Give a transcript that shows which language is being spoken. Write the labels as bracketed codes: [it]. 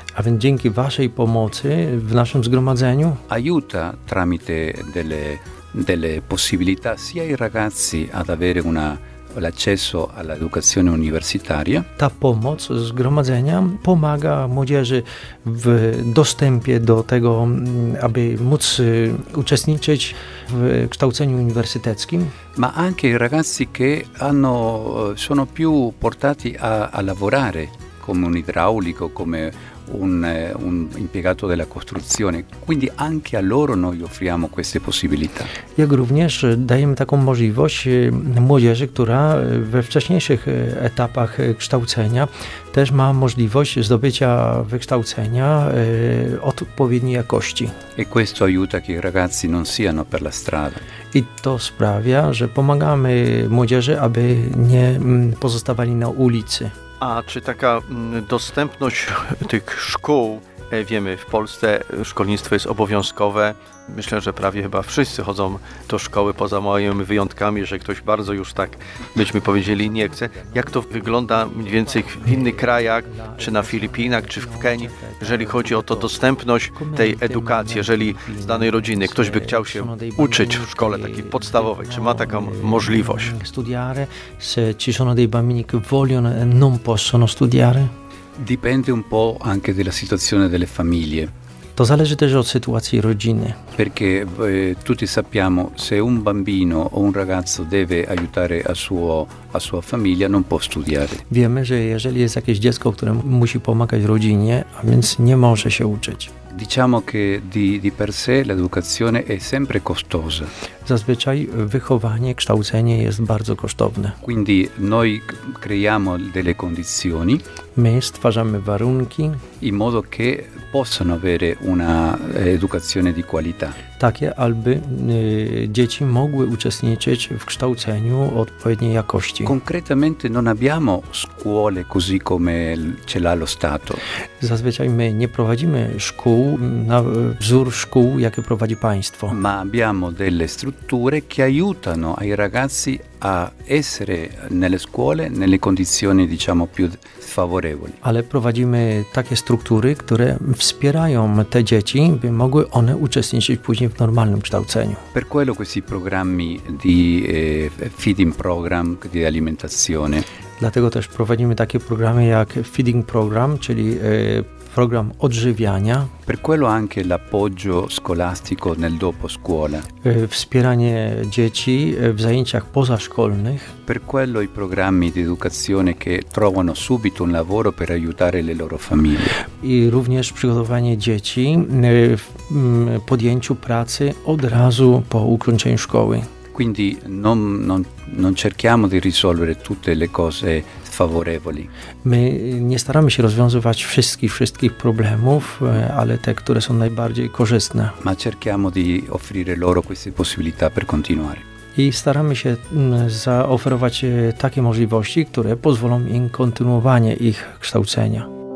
[pl] a więc dzięki waszej pomocy w naszym zgromadzeniu, [it] aiuta tramite delle possibilità sia i ragazzi ad avere l'accesso all'educazione universitaria. [pl] Ta pomoc zgromadzenia pomaga młodzieży w dostępie do tego, aby móc uczestniczyć w kształceniu uniwersyteckim. [it] Ma anche i ragazzi che hanno, sono più portati a lavorare come un idraulico, come un impiegato della costruzione. Quindi anche a loro noi offriamo queste possibilità. [pl] Jak również dajemy taką możliwość młodzieży, która we wcześniejszych etapach kształcenia też ma możliwość zdobycia wykształcenia odpowiedniej jakości. [it] E questo aiuta che i ragazzi non siano per la strada. [pl] I to sprawia, że pomagamy młodzieży, aby nie pozostawali na ulicy. A czy taka dostępność tych szkół Wiemy, w Polsce szkolnictwo jest obowiązkowe. Myślę, że prawie chyba wszyscy chodzą do szkoły, poza moimi wyjątkami, że ktoś bardzo już tak, byśmy powiedzieli, nie chce. Jak to wygląda mniej więcej w innych krajach, czy na Filipinach, czy w Kenii, jeżeli chodzi o to dostępność tej edukacji, jeżeli z danej rodziny ktoś by chciał się uczyć w szkole takiej podstawowej, czy ma taką możliwość? [it] Studiare, se ci sono dei bambini che vogliono e non possono studiare? Dipende un po' anche della situazione delle famiglie. [pl] To zależy też od sytuacji rodziny. [it] Perché tutti sappiamo se un bambino o un ragazzo deve aiutare a sua famiglia non può studiare. [pl] Wiemy, że jeżeli jest jakieś dziecko, które musi pomagać rodzinie, a więc nie może się uczyć. [it] Diciamo che di per sé l'educazione è sempre costosa. [pl] Zazwyczaj wychowanie, kształcenie jest bardzo kosztowne. [it] Quindi noi creiamo delle condizioni. [pl] My stwarzamy warunki. [it] In modo che possano avere una educazione di qualità. [pl] Takie, aby dzieci mogły uczestniczyć w kształceniu odpowiedniej jakości. [it] Concretamente non abbiamo scuole così come ce l'ha lo Stato. [pl] Zazwyczaj my nie prowadzimy szkół na wzór szkół, jakie prowadzi państwo. [it] Ma abbiamo delle strutture che aiutano ai ragazzi a essere nelle scuole nelle condizioni diciamo più favorevoli. [pl] Ale prowadzimy takie struktury, które wspierają te dzieci, by mogły one uczestniczyć później w normalnym kształceniu. [it] Per quello questi programmi di feeding program di alimentazione. [pl] Dlatego też prowadzimy takie programy jak feeding program, czyli program odżywiania. [it] Per quello anche l'appoggio scolastico nel dopo scuola. [pl] Wspieranie dzieci w zajęciach pozaszkolnych. [it] Per quello i programmi di educazione che trovano subito un lavoro per aiutare le loro famiglie. [pl] I również przygotowanie dzieci w podjęciu pracy od razu po ukończeniu szkoły. [it] Quindi non cerchiamo di risolvere tutte le cose sfavorevoli. [pl] My nie staramy się rozwiązywać wszystkich problemów, ale te, które są najbardziej korzystne. [it] Ma cerchiamo di offrire loro queste possibilità per continuare. [pl] I staramy się zaoferować takie możliwości, które pozwolą im kontynuowanie ich kształcenia.